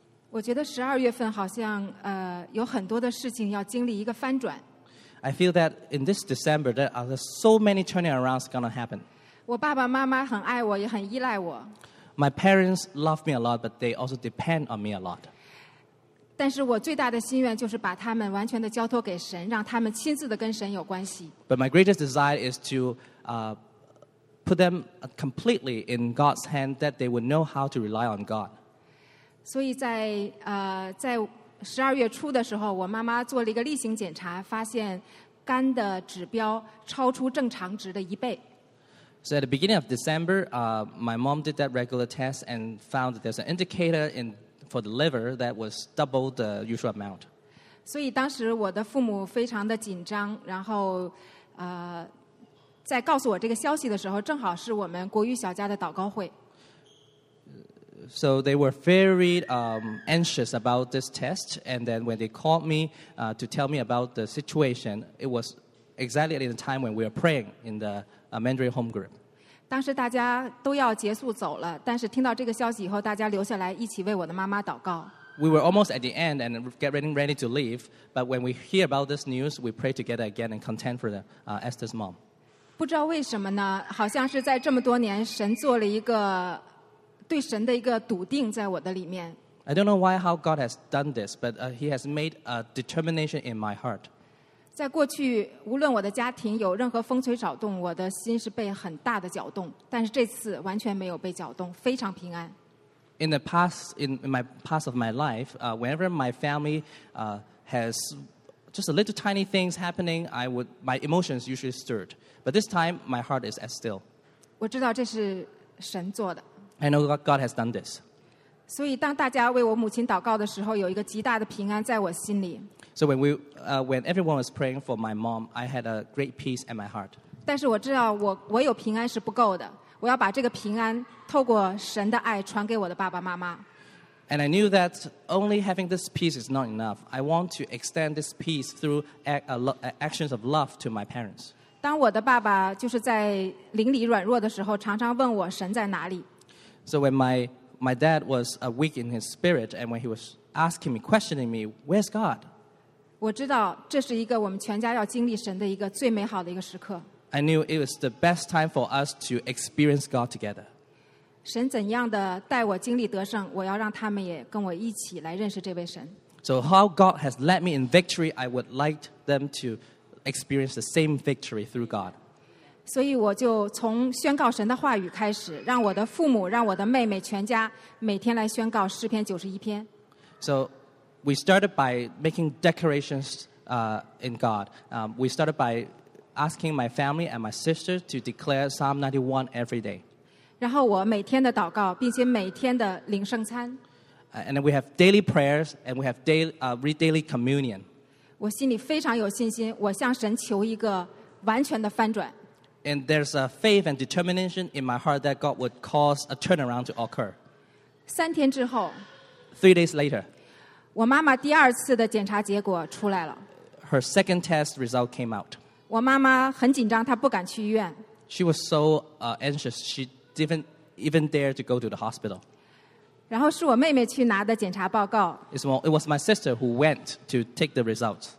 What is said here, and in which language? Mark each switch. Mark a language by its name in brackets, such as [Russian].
[Chinese] 我觉得十二月份好像有很多的事情要经历一个翻转。 [English] I feel that in this December there are so many turning arounds going to happen. [Chinese] 我爸爸妈妈很爱我，也很依赖我。 [English] My parents love me a lot, but they also depend on me a lot. [Chinese] 但是我最大的心愿就是把他们完全的交托给神，让他们亲自的跟神有关系。 [English] But my greatest desire is to put them completely in God's hand, that they would know how to rely on God. [Chinese] 所以在在十二月初的时候，我妈妈做了一个例行检查，发现肝的指标超出正常值的一倍。 [English] So at the beginning of December, my mom did that regular test and found that there's an indicator in for the liver that was double the usual amount. [Chinese] 所以当时我的父母非常的紧张，然后在告诉我这个消息的时候，正好是我们国语小家的祷告会。 [English] So they were very anxious about this test, and then when they called me to tell me about the situation, it was exactly at the time when we were praying in the Mandarin home group. [Chinese] 当时大家都要结束走了，但是听到这个消息以后，大家留下来一起为我的妈妈祷告。 [English] We were almost at the end and getting ready to leave, but when we hear about this news, we pray together again and contend for Esther's mom. [Chinese] 不知道为什么呢？好像是在这么多年，神做了一个。对神的一个笃定在我的里面。 [English] I don't know why how God has done this, but he has made a determination in my heart. [Chinese] 在过去，无论我的家庭有任何风吹草动，我的心是被很大的搅动。但是这次完全没有被搅动，非常平安。 [English] In the past, in my past of my life, whenever my family has just a little tiny things happening, my emotions usually stirred. But this time, my heart is as still. [Chinese] 我知道这是神做的。 [English] I know God has done this. [Chinese] 所以当大家为我母亲祷告的时候，有一个极大的平安在我心里。 [English] So when we, when everyone was praying for my mom, I had a great peace in my heart. [Chinese] 但是我知道我有平安是不够的，我要把这个平安透过神的爱传给我的爸爸妈妈。 [English] And I knew that only having this peace is not enough. I want to extend this peace through actions of love to my parents. [Chinese] 当我的爸爸就是在灵里软弱的时候，常常问我神在哪里。 [English] So when my dad was weak in his spirit, and when he was asking me, questioning me, where's God? [Chinese] 我知道这是一个我们全家要经历神的一个最美好的一个时刻。 [English] I knew it was the best time for us to experience God together. [Chinese] 神怎样的带我经历得胜，我要让他们也跟我一起来认识这位神。 [English] So how God has led me in victory, I would like them to experience the same victory through God. [Chinese] 所以我就从宣告神的话语开始，让我的父母，让我的妹妹，全家每天来宣告诗篇九十一篇。 [English] So we started by making declarations in God. We started by asking my family and my sister to declare Psalm 91 every day. [Chinese] 然后我每天的祷告，并且每天的领圣餐。 [English] And then we have daily prayers and we have daily communion. [Chinese] 我心里非常有信心，我向神求一个完全的翻转。 [English] And there's a faith and determination in my heart that God would cause a turnaround to occur. 3 days [Chinese] 之后 [English] 3 days later, [Chinese] 我妈妈第二次的检查结果出来了。 [English] Her second test result came out. [Chinese] 我妈妈很紧张，她不敢去医院。 [English] She was so anxious, she didn't even dare to go to the hospital. [Chinese] 然后是我妹妹去拿的检查报告。 [English] It was my sister who went to take the results.